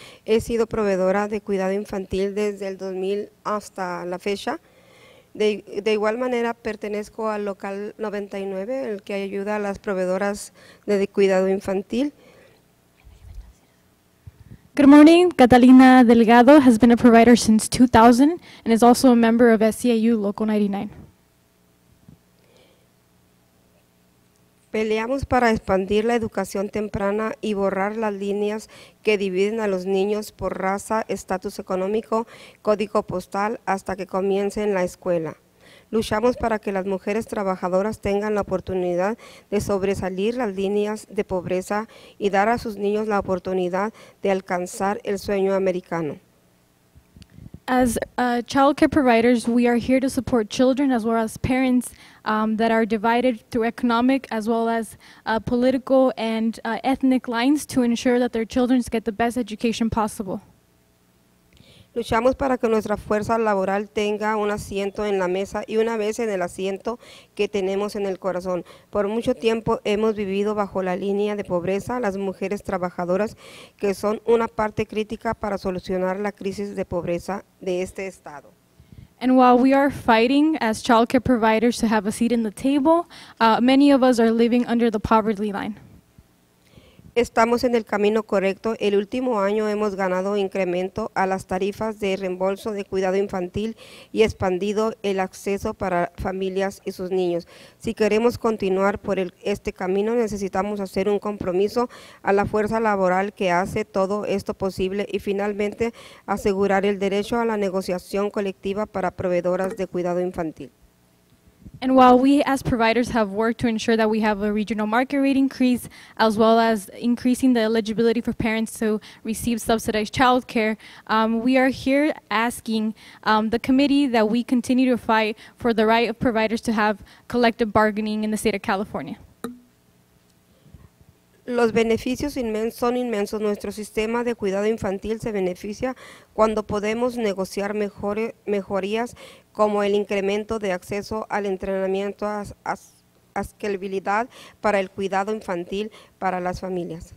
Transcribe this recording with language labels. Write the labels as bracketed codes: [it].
[es] He sido proveedora de cuidado infantil desde el 2000 hasta la fecha. De igual manera, pertenezco al local 99, el que ayuda a las proveedoras de cuidado infantil. [en] Good morning. Catalina Delgado has been a provider since 2000 and is also a member of SEIU Local 99. [es] Peleamos para expandir la educación temprana y borrar las líneas que dividen a los niños por raza, estatus económico, código postal, hasta que comiencen la escuela. Luchamos para que las mujeres trabajadoras tengan la oportunidad de sobresalir las líneas de pobreza y dar a sus niños la oportunidad de alcanzar el sueño americano. [en] As child care providers, we are here to support children as well as parents that are divided through economic as well as political and ethnic lines to ensure that their children get the best education possible. [es] Luchamos para que nuestra fuerza laboral tenga un asiento en la mesa y una vez en el asiento que tenemos en el corazón. Por mucho tiempo hemos vivido bajo la línea de pobreza, las mujeres trabajadoras, que son una parte crítica para solucionar la crisis de pobreza de este estado. [en] And while we are fighting as childcare providers to have a seat in the table, many of us are living under the poverty line. [es] Estamos en el camino correcto. El último año hemos ganado incremento a las tarifas de reembolso de cuidado infantil y expandido el acceso para familias y sus niños. Si queremos continuar por este camino, necesitamos hacer un compromiso a la fuerza laboral que hace todo esto posible y finalmente asegurar el derecho a la negociación colectiva para proveedoras de cuidado infantil. [en] And while we as providers have worked to ensure that we have a regional market rate increase, as well as increasing the eligibility for parents to receive subsidized childcare, we are here asking the committee that we continue to fight for the right of providers to have collective bargaining in the state of California. [es] Los beneficios son inmensos. Nuestro sistema de cuidado infantil se beneficia cuando podemos negociar mejorías como el incremento de acceso al entrenamiento, asequibilidad para el cuidado infantil para las familias.